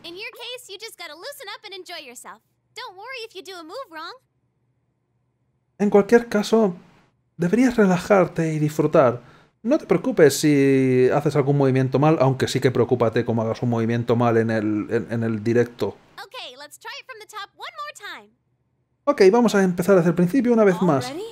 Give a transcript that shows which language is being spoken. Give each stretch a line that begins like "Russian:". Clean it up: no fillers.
Spanish: En tu caso, solo tienes que
English: loosen up and enjoy yourself.
Spanish: No te preocupes si haces un
English: move wrong.
Spanish: En cualquier caso, deberías relajarte y disfrutar. No te preocupes si haces algún movimiento mal, aunque sí que preocúpate como hagas un movimiento mal en el directo.
English: Okay, let's try it from the top one more time.
Spanish: Ok, vamos a empezar desde el principio una vez más.